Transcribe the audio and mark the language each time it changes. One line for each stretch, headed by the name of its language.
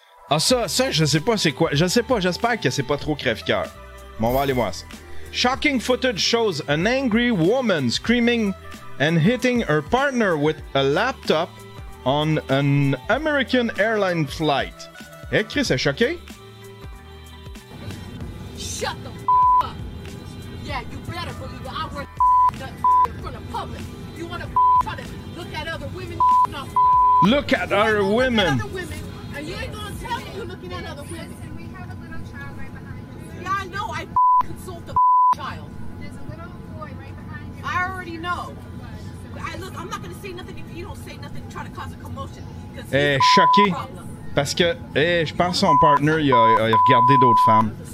French: Ah, ça, je sais pas c'est quoi. Je sais pas, j'espère que c'est pas trop crève-cœur. Bon, on va aller voir ça.
English: Shocking footage shows an angry woman screaming and hitting her partner with a laptop on an American airline flight.
French: Eh, Chris, est choqué?
English: Shut the f*** up! Yeah, you better believe it. I wear in front of public. You wanna try to look at other women? No. Look at our women. Look at other women. And you ain't gonna tell me you're looking at other women. Listen, we have a little child right behind you. Yeah, I know. I consult the child. There's a little boy right behind you. I already know. I look, I'm not gonna say nothing if you don't say nothing and try to cause a commotion.
French: Eh, choqué. Parce que, je pense que son partner, il a regardé d'autres femmes.